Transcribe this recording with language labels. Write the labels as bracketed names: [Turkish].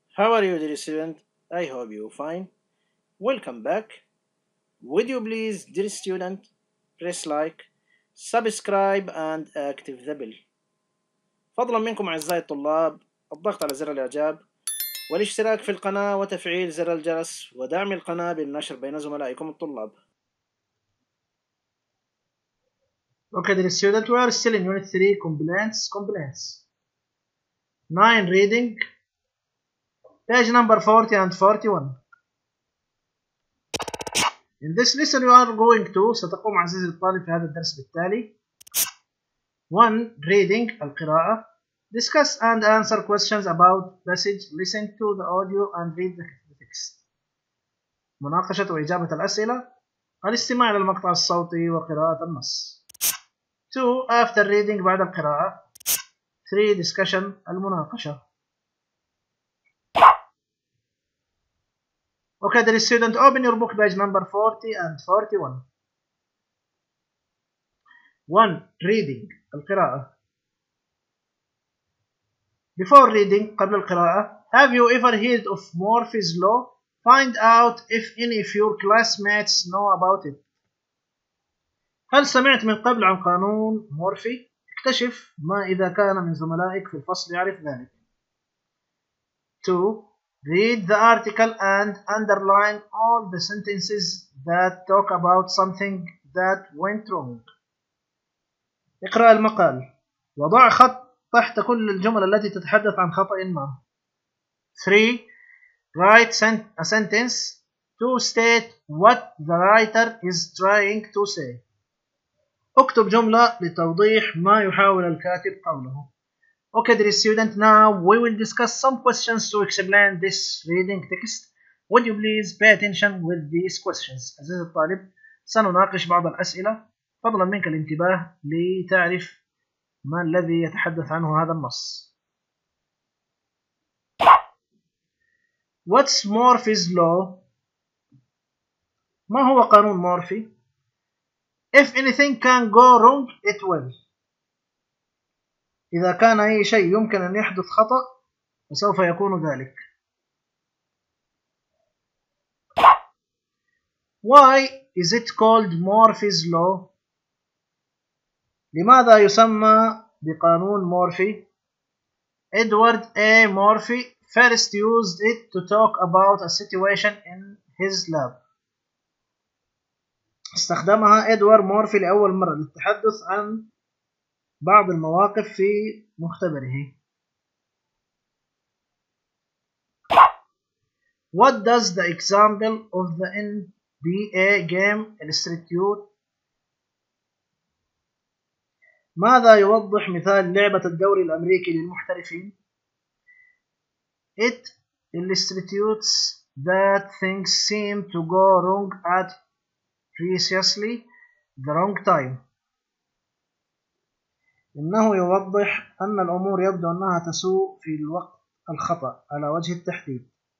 [English] How are you, dear student? I hope you're fine. Welcome back. Would you please, dear student, press like, subscribe, and active the bell. [Arabic] فضلا منكم أعزائي الطلاب الضغط على زر الإعجاب والاشتراك في القناة وتفعيل زر الجرس ودعم القناة بالنشر بين زملائكم الطلاب. [English] Okay, dear student, we are still in unit 3, compliance. 9 reading, page number 40 and 41. In this lesson you are going to, [Arabic] ستقوم عزيزي الطالب في هذا الدرس بالتالي. [English] 1 reading, [Arabic] القراءة. [English] Discuss and answer questions about passage, listen to the audio and read the text. [Arabic] مناقشة وإجابة الأسئلة, الاستماع إلى المقطع الصوتي وقراءة النص. [English] 2 after reading, [Arabic] بعد القراءة. [English] 3 discussion, [Arabic] المناقشة. [English] Okay, there is student, open your book page number 40 and 41. 1 reading, [Arabic] القراءة. [English] Before reading, [Arabic] قبل القراءة, [English] have you ever heard of Murphy's Law? Find out if any of your classmates know about it. [Arabic] هل سمعت من قبل عن قانون مورفي؟ اكتشف ما إذا كان من زملائك في الفصل يعرف ذلك. [English] 2. Read the article and underline all the sentences that talk about something that went wrong. [Arabic] اقرأ المقال. وضع خط تحت كل الجمل التي تتحدث عن خطأ ما. [English] 3. Write a sentence to state what the writer is trying to say. [Arabic] اكتب جملة لتوضيح ما يحاول الكاتب قوله. [English] Okay, dear student, now we will discuss some questions to explain this reading text. Would you please pay attention with these questions? [Arabic] عزيزي الطالب, سنناقش بعض الأسئلة. فضلا منك الانتباه لتعرف ما الذي يتحدث عنه هذا النص. [English] What's Murphy's Law? [Arabic] ما هو قانون مورفي؟ [English] If anything can go wrong, it will. [Arabic] إذا كان أي شيء يمكن أن يحدث خطأ، فسوف يكون ذلك. [English] Why is it called Murphy's Law? [Arabic] لماذا يسمى بقانون مورفي؟ [English] Edward A. Murphy first used it to talk about a situation in his lab. [Arabic] استخدمها إدوارد مورفي لأول مرة للتحدث عن بعض المواقف في مختبره. [English] What does the example of the NBA game illustrate? [Arabic] ماذا يوضح مثال لعبة الدوري الأمريكي للمحترفين؟ [English] It illustrates that things seem to go wrong at Previously, the wrong time. [Arabic] إنه يوضح أن الأمور يبدو أنها تسوء في الوقت الخطأ على وجه التحديد.